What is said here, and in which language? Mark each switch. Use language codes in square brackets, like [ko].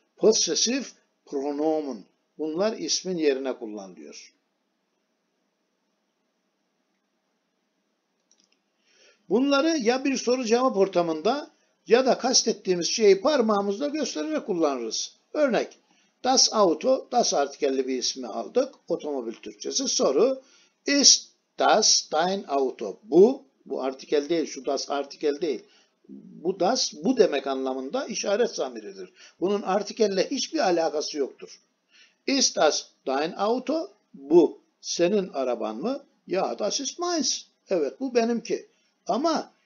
[tr] Possessive pronomen. Bunlar ismin yerine kullanılıyor. Bunları ya bir soru cevap ortamında ya da kastettiğimiz şeyi parmağımızla göstererek kullanırız. Örnek, das Auto, das artikelli bir ismi aldık. Otomobil Türkçesi soru, [de] ist das dein Auto? [tr] Bu artikel değil, şu das artikel değil. Bu das, bu demek anlamında işaret zamiridir. Bunun artikelle hiçbir alakası yoktur. [de] Ist das dein Auto? [tr] Bu senin araban mı? [de] Ja, das ist meins. [tr] Evet, bu benimki. Ama